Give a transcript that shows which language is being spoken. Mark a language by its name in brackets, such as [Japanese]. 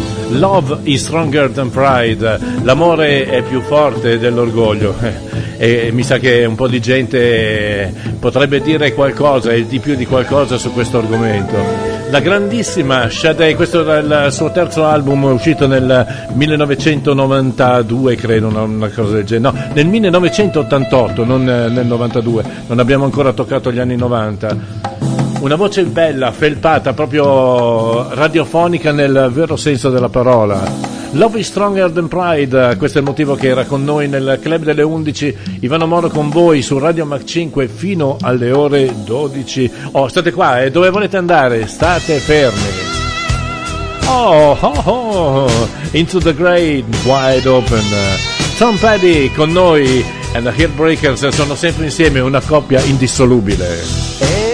[English] Love is stronger than pride. [Italian] L'amore è più forte dell'orgoglio. E mi sa che un po' di gente potrebbe dire qualcosa e di più di qualcosa su questo argomento. La grandissima Sade, questo era il suo terzo album, uscito nel 1992, credo, una cosa del genere. No, nel 1988, non nel 92. Non abbiamo ancora toccato gli anni 90. Una voce bella, felpata, proprio radiofonica nel vero senso della parola. [English] Love is stronger than pride, [Italian] questo è il motivo che era con noi nel Club delle 11. Ivano Moro con voi su Radio Mach 5 fino alle ore 12. Oh, state qua, e dove volete andare? State fermi. [English] Into the great wide open. [Italian] Tom Petty con noi e the Heartbreakers sono sempre insieme, una coppia indissolubile.